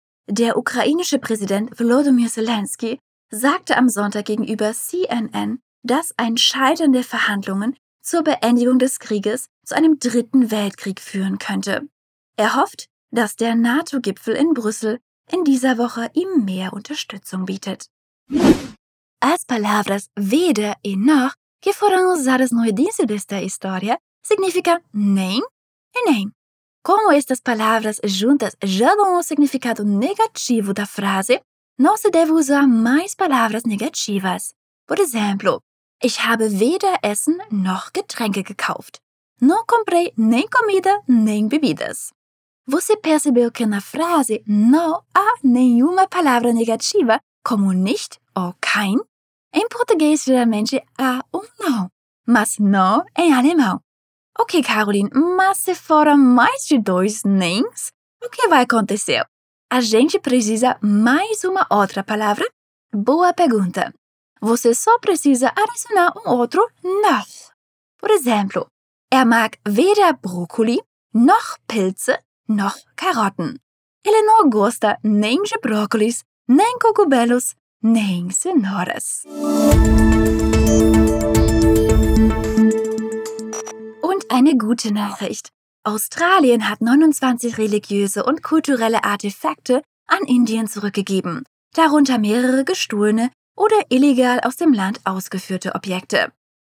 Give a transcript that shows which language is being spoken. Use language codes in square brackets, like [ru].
[de] Der ukrainische Präsident Wladimir Zelensky sagte am Sonntag gegenüber CNN, dass ein Scheitern der Verhandlungen zur Beendigung des Krieges zu einem dritten Weltkrieg führen könnte. Er hofft, dass der NATO-Gipfel in Brüssel in dieser Woche ihm mehr Unterstützung bietet. [pt] As palavras weder e nor, que foram usadas no início desta história, significa nem e nem. Como estas palavras juntas já dão o significado negativo da frase, não se deve usar mais palavras negativas. Por exemplo, [de] ich habe weder Essen noch Getränke gekauft. [pt] Não comprei nem comida nem bebidas. Você percebeu que na frase não há nenhuma palavra negativa, como nicht ou kein? Em português, geralmente há um não, mas não em alemão. Ok, Caroline, mas se foram mais de dois nems, o que vai acontecer? A gente precisa mais uma outra palavra? Boa pergunta. Você só precisa adicionar outro noch. Por exemplo, [de] mag weder Brokkoli, noch Pilze, noch Karotten. [pt] Ele não gosta nem de brócolis, nem cogumelos, Nem senhoras. [de] Und eine gute Nachricht. Australien hat 29 religiöse und kulturelle Artefakte an Indien zurückgegeben, darunter mehrere gestohlene oder illegal aus dem Land ausgeführte Objekte.